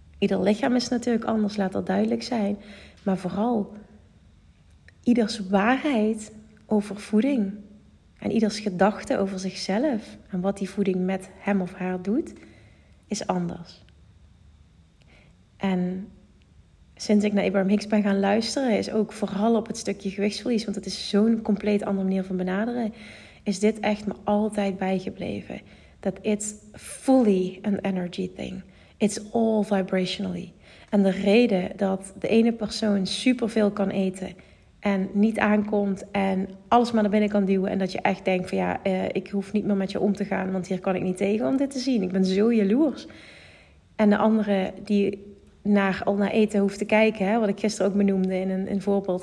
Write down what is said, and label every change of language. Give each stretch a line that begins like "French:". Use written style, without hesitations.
Dutch: Ieder lichaam is natuurlijk anders, laat dat duidelijk zijn. Maar vooral ieders waarheid over voeding en ieders gedachte over zichzelf en wat die voeding met hem of haar doet, is anders. En sinds ik naar Abraham Hicks ben gaan luisteren, is ook vooral op het stukje gewichtsverlies, want het is zo'n compleet andere manier van benaderen, is dit echt me altijd bijgebleven.
English: That it's fully an energy thing. It's all vibrationally.
Dutch: En de reden dat de ene persoon superveel kan eten en niet aankomt en alles maar naar binnen kan duwen en dat je echt denkt van ja, ik hoef niet meer met je om te gaan, want hier kan ik niet tegen om dit te zien. Ik ben zo jaloers. En de andere die al naar eten hoeft te kijken, hè, wat ik gisteren ook benoemde in een voorbeeld.